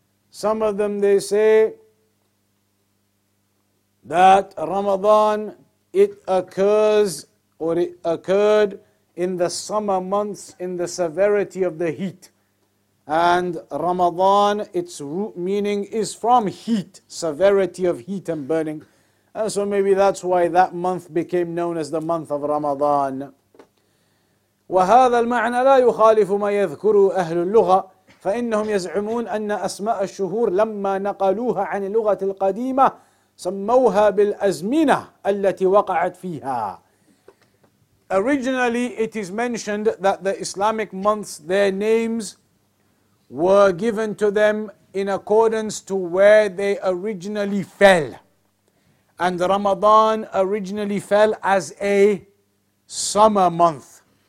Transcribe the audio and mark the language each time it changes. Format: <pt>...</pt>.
<en>Some of them, they say that Ramadan, it occurs, or it occurred in the summer months in the severity of the heat. And Ramadan, its root meaning is from heat, severity of heat and burning. And so maybe that's why that month became known as the month of Ramadan.</en> <ar>وهذا المعنى لا يخالف ما يذكره أهل اللغة فإنهم يزعمون أن أسماء الشهور لما نقلوها عن اللغة القديمة سموها بالأزمنة التي وقعت فيها.</ar> <en>Originally, it is mentioned that the Islamic months, their names were given to them in accordance to where they originally fell. And Ramadan originally fell as a summer month.</en>